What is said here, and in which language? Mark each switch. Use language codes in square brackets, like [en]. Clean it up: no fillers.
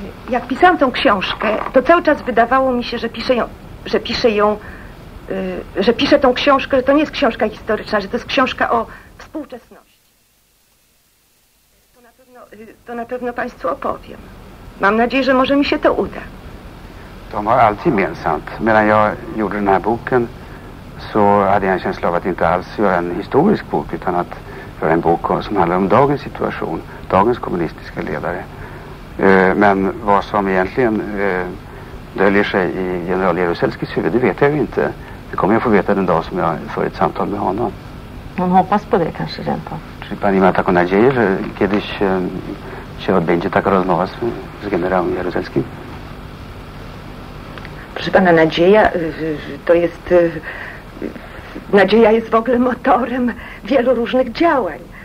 [pl] Jak pisałam tą książkę, to cały czas wydawało mi się, że piszę ją że pisze tą książkę, że to nie jest książka historyczna, że to jest książka o współczesności. To na pewno Państwu opowiem. Mam nadzieję, że może mi się to uda. [sv] De har allt gemensamt. Medan jag gjorde den här boken så hade jag en känsla av att inte alls göra en historisk bok, utan att göra en bok som handlar om dagens situation, dagens kommunistiska ledare. Men vad som egentligen döljer sig i general Jaruzelskis huvud, det vet jag ju inte. Det kommer jag få veta den dag som jag får ett samtal med honom. Man hoppas på det kanske rent av. [pl] Czy pani ma taką nadzieję, że kiedyś się odbędzie taka rozmowa z generałem Jaruzelskim? Proszę pana, nadzieja to jest... Nadzieja jest w ogóle motorem wielu różnych działań.